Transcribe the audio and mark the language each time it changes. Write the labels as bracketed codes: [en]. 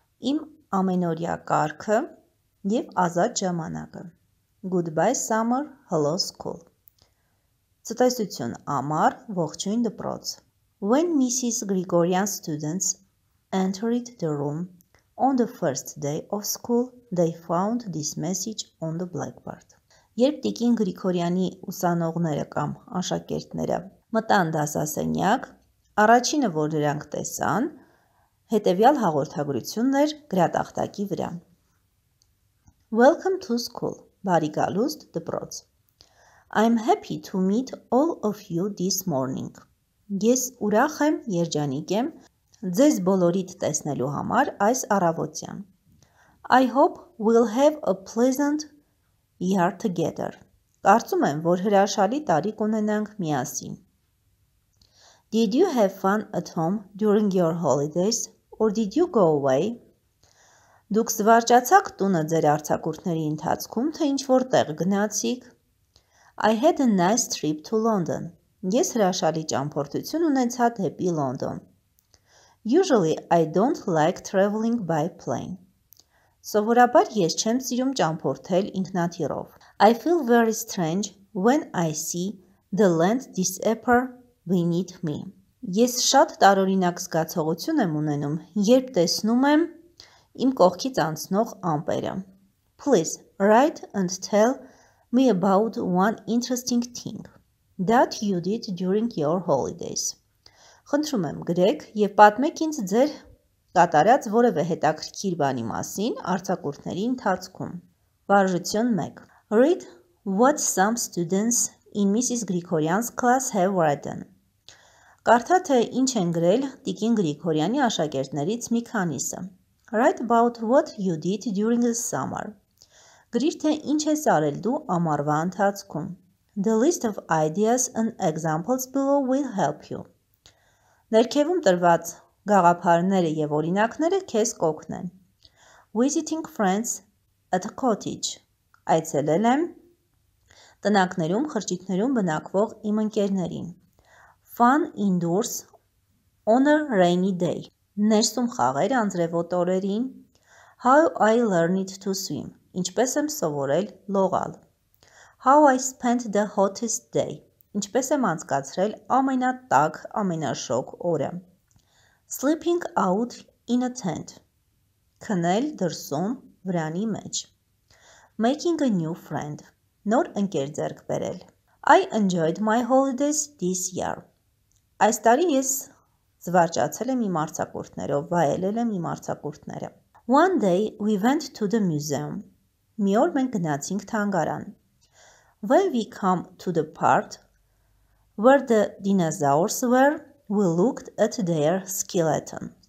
[hy] Իմ ամենօրյա կարգը եւ ազատ ժամանակը. [en] Goodbye summer, hello school. [hy] Ցտեսություն ամառ, ողջույն դպրոց. [en] When Mrs. Grigorian's students entered the room on the first day of school, they found this message on the blackboard. [hy] Երբ Տիկին Գրիգորյանի ուսանողները կամ աշակերտները մտան դասասենյակ, առաջինը, որ նրանք տեսան, հետևյալ հաղորդագրությունն էր գրատախտակի վրա. [en] Welcome to school. [hy] Բարի գալուստ [en] the դպրոց. I'm happy to meet all of you this morning. [hy] Ես ուրախ եմ, երջանիկ եմ, ձեզ բոլորիդ տեսնելու համար այս առավոտյան. [en] I hope we'll have a pleasant year together. [hy] Կարծում եմ, որ հրաշալի տարի կունենանք միասին. [en] Did you have fun at home during your holidays or did you go away? [hy] Դուք զվարճացաք տունը ձեր արձակուրդների ընթացքում, թե ինչ-որ տեղ գնացիք? [en] I had a nice trip to London. [hy] Ես հրաշալի ճամփորդություն ունեցա դեպի Լոնդոն. [en] Usually I don't like traveling by plane. [hy] Սովորաբար ես չեմ սիրում ճամփորդել ինքնաթիռով. [en] I feel very strange when I see the land disappear beneath me. [hy] Ես շատ տարօրինակ զգացողություն եմ ունենում, երբ տեսնում եմ իմ կողքից անցնող ամպերը. [en] Please write and tell me about one interesting thing that you did during your holidays. [hy] Խնդրում եմ, գրեք եւ պատմեք ինձ ձեր կատարած որևէ հետաքրքիր բանի մասին արձակուրդների ընթացքում. Վարժություն 1. [en] Read what some students in Mrs. Grigorian's class have written. [hy] Կարդա թե ինչ են գրել Տիկին Գրիգորյանի աշակերտներից մի քանիսը. [en] Write about what you did during the summer. [hy] Գրիր թե ինչ ես արել դու ամառվա ընթացքում. [en] The list of ideas and examples below will help you. [hy] Ներքևում տրված գաղափարները եւ օրինակները քեզ կօգնեն. [en] Visiting friends at a cottage. [hy] Այցելել եմ տնակներում խրճիթներում բնակվող իմ ընկերներին. [en] Fun indoors on a rainy day. [hy] Ներսում խաղեր անձրևոտ օրերին. [en] How I learned to swim. [hy] Ինչպես եմ սովորել լողալ. [en] How I spent the hottest day. [hy] Ինչպես եմ անցկացրել ամենատաք, ամենաշոգ օրը. [en] Sleeping out in a tent. [hy] Քնել դրսում վրանի մեջ. [en] Making a new friend. [hy] Նոր ընկեր ձեռք բերել. [en] I enjoyed my holidays this year. [hy] Այս տարի ես զվարճացել եմ իմ արձակուրդներով, վայելել եմ իմ արձակուրդները. [en] One day we went to the museum. [hy] Մի օր մենք գնացինք թանգարան. [en] When we come to the part where the dinosaurs were, we looked at their skeletons.